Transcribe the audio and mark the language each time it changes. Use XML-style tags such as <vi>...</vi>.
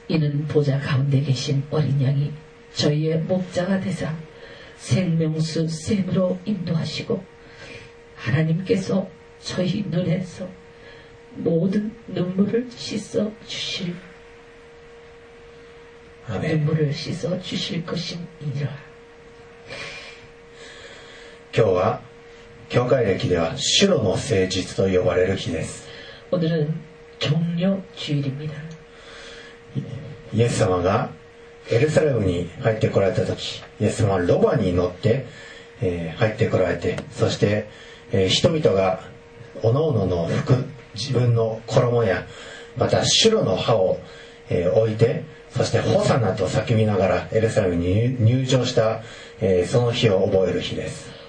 <ko>이는보좌가운데계신어린양이저희의목자가되사생명수샘으로인도하시고하나님께서저희눈에서모든눈물을씻어주실 아멘 눈물을씻어주실것입니다。</ko> <ja>今日は教会歴では白の聖日と呼ばれる日です。</ja> <ko>오늘은종려주일입니다。</ko> <ja>イエス様がエルサレムに入ってこられた時、イエス様はロバに乗って、入ってこられて、そして、人々が各々の服、自分の衣やまた白の歯を、置いて、そしてホサナと叫びながらエルサレムに入場した、その日を覚える日です。</ja>